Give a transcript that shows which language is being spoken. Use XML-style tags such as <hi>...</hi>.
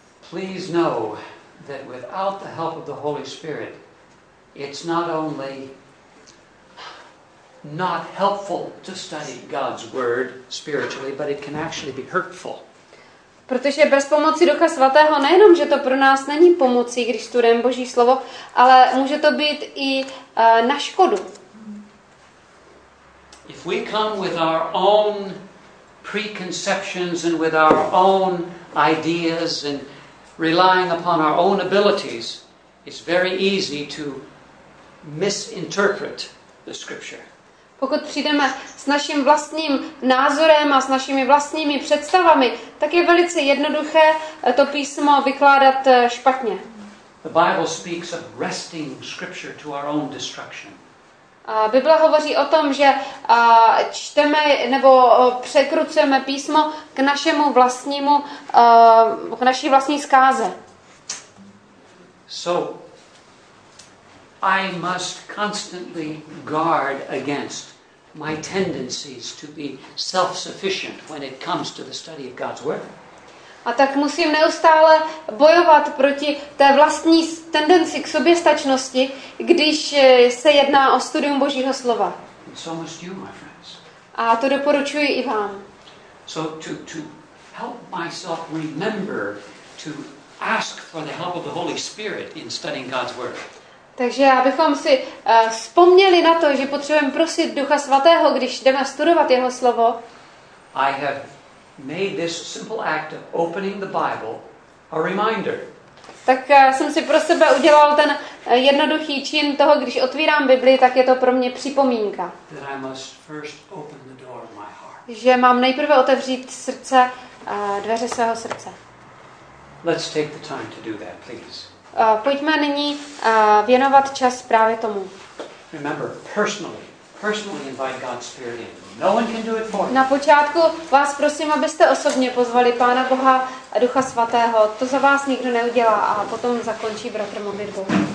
<en>Please know that without the help of the Holy Spirit, it's not only not helpful to study God's word spiritually, but it can actually be hurtful.</en> <cs>Protože bez pomoci Ducha Svatého nejenom, že to pro nás není pomocí, když studujeme Boží slovo, ale může to být i na škodu.</cs> <en>If we come with our own preconceptions and with our own ideas and relying upon our own abilities, it's very easy to misinterpret the scripture.</en> <cs>Pokud přijdeme s naším vlastním názorem a s našimi vlastními představami, tak je velice jednoduché to písmo vykládat špatně.</cs> <en>The Bible speaks of wresting scripture to our own destruction.</en> <cs>A Bible hovoří o tom, že čteme nebo překrucujeme písmo k našemu vlastnímu k naší vlastní zkáze.</cs> <en>So I must constantly guard against my tendencies to be self-sufficient when it comes to the study of God's word.</en> <cs>A tak musím neustále bojovat proti té vlastní tendenci k soběstačnosti, když se jedná o studium Božího slova.</cs> <en>And so must you, my friends.</en> <cs>A to doporučuji i vám.</cs> <en>So to help myself remember to ask for the help of the Holy Spirit in studying God's word.</en> <cs>Takže abychom si vzpomněli na to, že potřebujeme prosit Ducha Svatého, když jdeme studovat jeho slovo.</cs> <en>I have made this simple act of opening the Bible a reminder.</en> <cs>Tak jsem si pro sebe udělal ten jednoduchý čin toho, když otvírám Bibli, tak je to pro mě připomínka.</cs> <en>That I must first open the door of my heart.</en> <cs>Že mám nejprve otevřít srdce, dveře svého srdce.</cs> <en>Let's take the time to do that, please.</en> <cs>Pojďme nyní věnovat čas právě tomu.</cs> <en>Remember, personally invite God's Spirit in. No one can do it for you.</en> <cs>Na počátku vás prosím, abyste osobně pozvali Pána Boha a Ducha Svatého. To za vás nikdo neudělá a potom zakončí bratr modlitbu.</cs>